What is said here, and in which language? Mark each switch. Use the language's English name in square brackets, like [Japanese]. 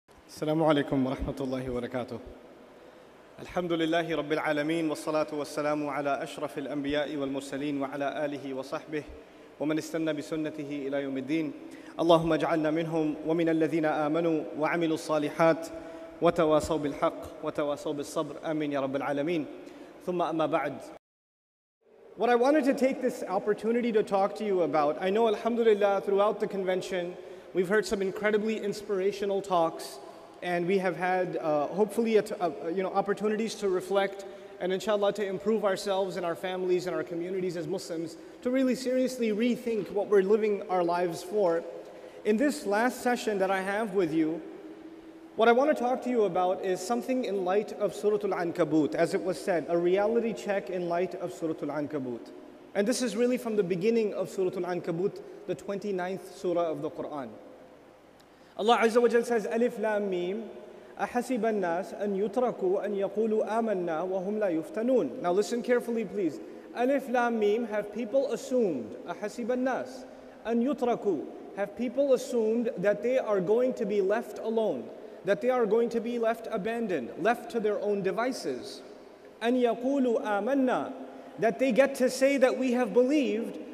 [Arabic] السلام عليكم ورحمة الله وبركاته. الحمد لله رب العالمين والصلاة والسلام على أشرف الأنبياء والمرسلين وعلى آله وصحبه ومن استنى بسنته إلى يوم الدين. اللهم اجعلنا منهم ومن الذين آمنوا وعملوا الصالحات وتواصوا بالحق وتواصوا بالصبر. آمين يا رب العالمين. ثم أما بعد. [English] What I wanted to take this opportunity to talk to you about, I know alhamdulillah throughout the convention we've heard some incredibly inspirational talks. And we have had opportunities to reflect and inshallah to improve ourselves and our families and our communities as Muslims to really seriously rethink what we're living our lives for. In this last session that I have with you, what I want to talk to you about is something in light of Surat Al Ankabut, as it was said, a reality check in light of Surat Al Ankabut. And this is really from the beginning of Surat Al Ankabut, the 29th surah of the Quran. [Arabic] Allah Azza wa Jalla says, Alif Lam Mim, أحسب الناس أن يتركوا أن يقولوا آمنا وهم لا يفتنون. [English] Now listen carefully, please. Alif Lam Mim, have people assumed, [Arabic] أحسب الناس أن يتركوا, [English] have people assumed that they are going to be left alone, that they are going to be left abandoned, left to their own devices. [Arabic] أن يقولوا آمنا, [English] that they get to say that we have believed.